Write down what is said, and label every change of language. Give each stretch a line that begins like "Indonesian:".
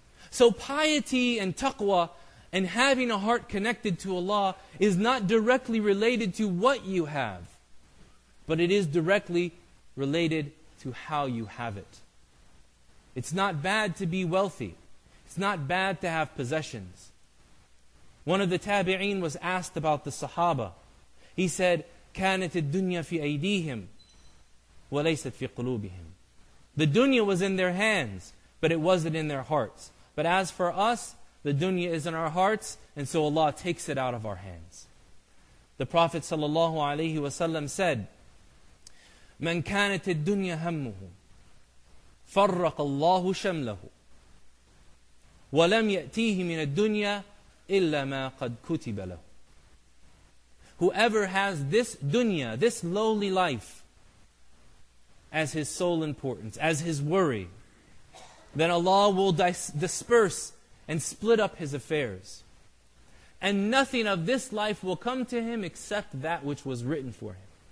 English: So piety and taqwa and having a heart connected to Allah is not directly related to what you have, but it is directly related to how you have it. It's not bad to be wealthy. It's not bad to have possessions. One of the tabi'een was asked about the Sahaba. He said,
Arabic: كانت الدنيا في أيديهم وليست في قلوبهم.
English: The dunya was in their hands, but it wasn't in their hearts. But as for us, the dunya is in our hearts, and so Allah takes it out of our hands. The Prophet sallallahu alaihi wasallam said,
Arabic: من كانت الدنيا همه فرق الله شمله ولم يأتيه من الدنيا إلا ما قد كتب له.
English: Whoever has this dunya, this lowly life, as his sole importance, as his worry, then Allah will disperse and split up his affairs. And nothing of this life will come to him except that which was written for him.